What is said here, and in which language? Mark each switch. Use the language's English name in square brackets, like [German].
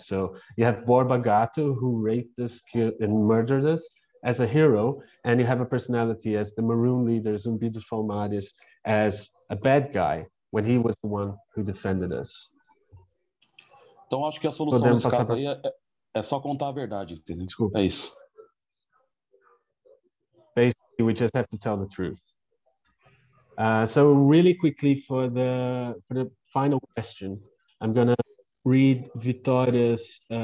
[English] So you have Borba Gato, who raped us, killed and murdered us, as a hero, and you have a personality as the Maroon leader, Zumbi dos Palmares, as a bad guy, when he was the one who defended us. [Portuguese] Então, acho que a solução nesse caso aí é só contar a verdade, entendeu? Desculpa. É isso. [English] Basically, we just have to tell the truth. So, really quickly, for the final question, I'm going to read Vitória's...